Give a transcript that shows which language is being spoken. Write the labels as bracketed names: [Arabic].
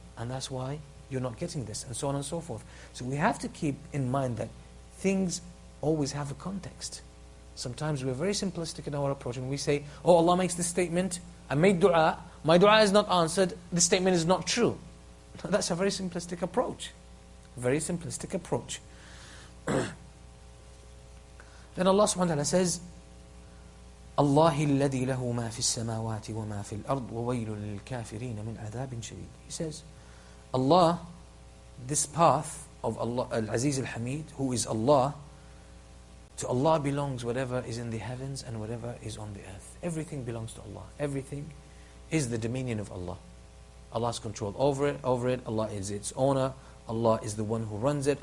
[English] And that's why you're not getting this. And so on and so forth. So we have to keep in mind that things always have a context. Sometimes we're very simplistic in our approach, and we say, oh, Allah makes this statement, I made dua, my dua is not answered, this statement is not true. That's a very simplistic approach. Very simplistic approach. Then Allah subhanahu wa ta'ala says, [Arabic] Allah الذي له ما في السماوات وما في الأرض وويل للكافرين من عذاب شديد. [English] He says, Allah, this path of Allah, Al-Aziz Al-Hamid, who is Allah, to Allah belongs whatever is in the heavens and whatever is on the earth. Everything belongs to Allah. Everything is the dominion of Allah. Allah's control over it. Allah is its owner. Allah is the one who runs it.